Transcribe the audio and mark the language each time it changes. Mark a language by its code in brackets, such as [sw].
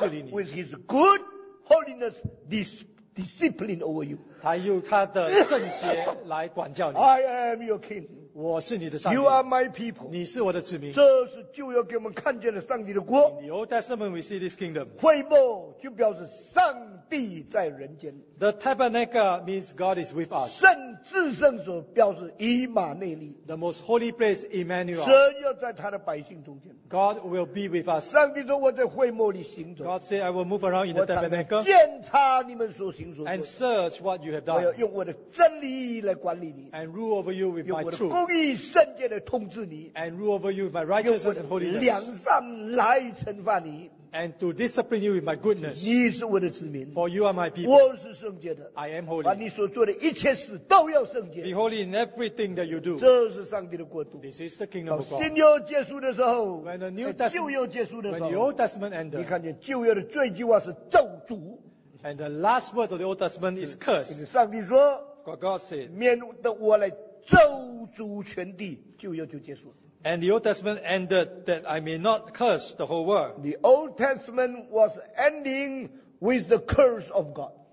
[en] With his good holiness, discipline over you. [zh] 他用他的圣洁来管教你。 [en] I am your king. [zh] 我是你的上帝, [en] you are my people. [zh] 你是我的子民, 这是旧约给我们看见的上帝的国, [en] in the Old Testament we see this kingdom. [zh] 会幕就表示上帝在人间, [en] the tabernacle means God is with us. [zh] 圣至圣所表示以马内利, [en] the most holy place, Emmanuel. [zh] 神要在他的百姓中间, [en] God will be with us. [zh] 上帝说我在会幕里行走, [en] God said I will move around in the tabernacle, [zh] 我常检查你们所行走, [en] and search what you have done, [zh] 我要用我的真理来管理你, [en] and rule over you with my truth, [zh] 公义圣洁地统治你, [en] and rule over you with my righteousness and holiness, [zh] 用我的良善来惩罚你, [en] and to discipline you with my goodness. [zh] 你是我的子民, [en] for you are my people. [zh] 我是圣洁的, [en] I am holy. [zh] 把你所做的一切事都要圣洁, [en] be holy in everything that you do. [zh] 这是上帝的国度, [en] this is the kingdom of God. [zh] 新约结束的时候, [en] when the New Testament, when the Old Testament ended, [zh] 你看见旧约的最句话是咒诅, [en] and the last word of the Old Testament is curse. [zh] 上帝说, [en] for God said, [zh] 免得我来 咒诅全地, 旧约就结束了。 [en] And the Old Testament ended that I may not curse the whole world. The Old Testament was ending with the curse of God.